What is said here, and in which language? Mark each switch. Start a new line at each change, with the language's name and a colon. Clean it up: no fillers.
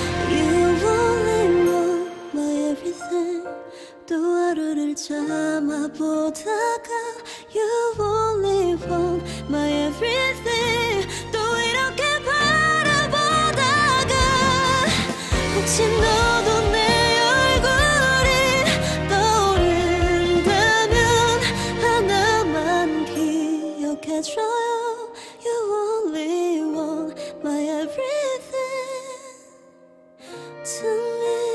English: You only know my everything.
Korean: 또 하루를 참아보다가
English: You only want my everything.
Korean: 또 이렇게 바라보다가 혹시 너도 내 얼굴이 떠오른다면 하나만 기억해줘요.
English: You only want my everything to me.